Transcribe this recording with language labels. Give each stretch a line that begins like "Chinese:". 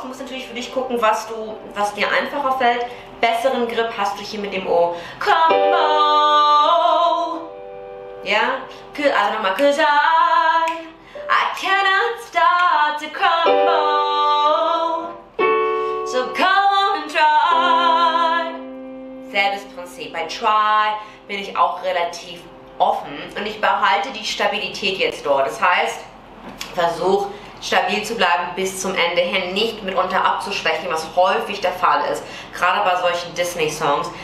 German: Du musst natürlich für dich gucken, was dir einfacher fällt. Besseren Grip hast du hier mit dem O. Crumble. Ja? Also nochmal.
English: Cause I cannot start to crumble. So come on and try.
German: Selbes Prinzip. Bei try bin ich auch relativ offen. Und ich behalte die Stabilität jetzt dort. Das heißt, versuch stabil zu bleiben bis zum Ende hin, nicht mitunter abzuschwächen, was häufig der Fall ist, gerade bei solchen Disney-Songs.